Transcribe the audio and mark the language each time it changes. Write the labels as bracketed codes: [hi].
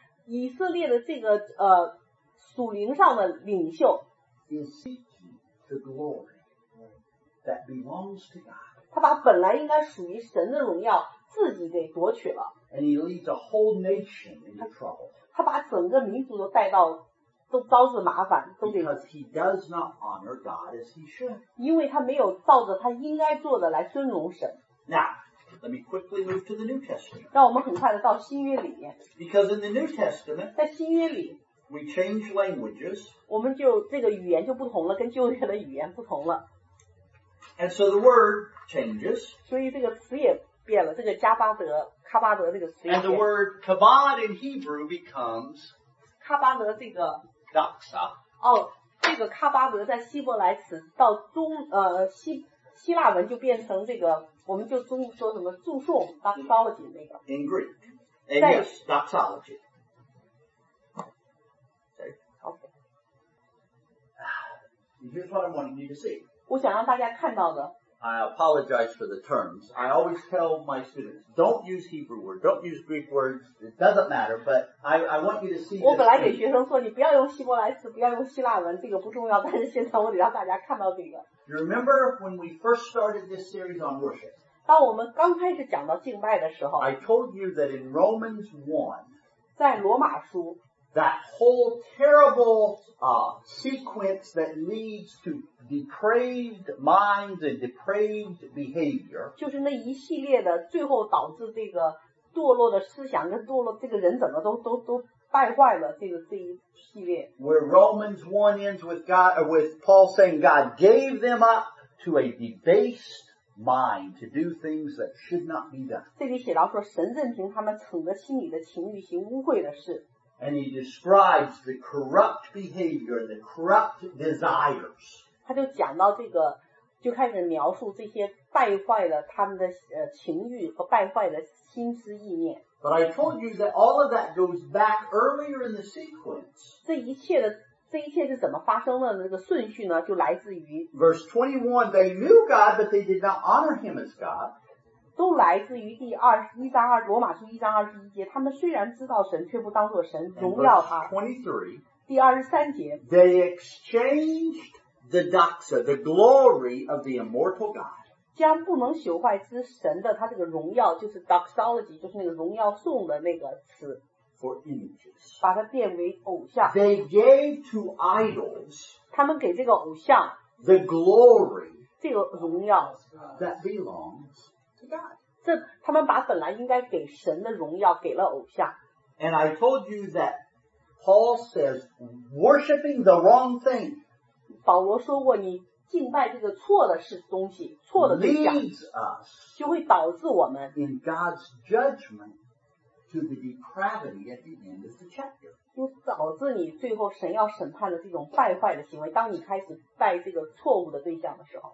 [zh] 以色列的这个属灵上的领袖 [en] ，is seeking the glory that belongs to God。 [zh] 他把本来应该属于神的荣耀自己给夺取了。 [en] And he leads a whole nation into trouble. [zh] 他把整个民族都带到都招致麻烦都给。 [en] Because he does not honor God as he should. [zh] 因为他没有照着他应该做的来尊荣神。 [en] Now, let me quickly move to the New Testament. [zh] 让我们很快的到新约里面。 [en] Because in the New Testament, [zh] 在新约里 [en] we change languages. [zh] 我们就这个语言就不同了跟旧约的语言不同了。 [en] And so the word changes. [zh] 所以这个词也变了，这个加巴德、喀巴德这个词也变了。 [en] And the word kavod in Hebrew becomes [zh] 喀巴德这个 [el] doxa. [zh] 哦，这个喀巴德在希伯来词到中希腊文就变成这个，我们就中说什么祝颂 doxology 那个。 [en] In Greek, and yes, doxology. Okay. Okay. Here's what I'm wanting you to see. [zh] 我想让大家看到的。 [en] I apologize for the terms. I always tell my students, don't use Hebrew words, don't use Greek words. It doesn't matter. But I want you to see. [zh] 我本来给学生说你不要用希伯来词，不要用希腊文，这个不重要。但是现在我得让大家看到这个。 [en] You remember when we first started this series on worship? [zh] 当我们刚开始讲到敬拜的时候。 [en] I told you that in Romans 1, [zh] 在罗马书。 [en] That whole terrible, sequence that leads to depraved minds and depraved behavior. [zh] 就是那一系列的最后导致这个堕落的思想跟堕落这个人怎么都败坏了这一系列。 [en] Where Romans 1 ends with God, with Paul saying God gave them up to a debased mind to do things that should not be done. [zh] 这里写到说神任凭他们逞着心里的情欲行污秽的事。 [en] And he describes the corrupt behavior, the corrupt desires. [zh] 他就讲到这个，就开始描述这些败坏了他们的情欲和败坏的心思意念。 [en] But I told you that all of that goes back earlier in the sequence. [zh] 这一切是怎么发生的？这个顺序呢，就来自于 [en] verse 21. They knew God, but they did not honor Him as God. [zh] 都来自于第二十一章二罗马书一章二十一节，他们虽然知道神，却不当作神荣耀他。第二十三节 [en] ，They exchanged the doxa, the glory of the immortal God， [zh] 将不能朽坏之神的他这个荣耀，就是 doxology， 就是那个荣耀颂的那个词 [en] ，for images， [zh] 把它变为偶像。 [en] They gave to idols， [zh] 他们给这个偶像 [en] the glory， [zh] 这个荣耀 [en] that belongs。 God. [zh] 这他们把本来应该给神的荣耀给了偶像。 [en] And I told you that Paul says worshiping the wrong thing. [zh] 保罗说过，你敬拜这个错的是东西，错的对象。 [en] Leads us [zh] 就会导致我们 [en] in God's judgment to the depravity at the end of the chapter. [zh] 就导致你最后神要审判的这种败坏的行为，当你开始拜这个错误的对象的时候。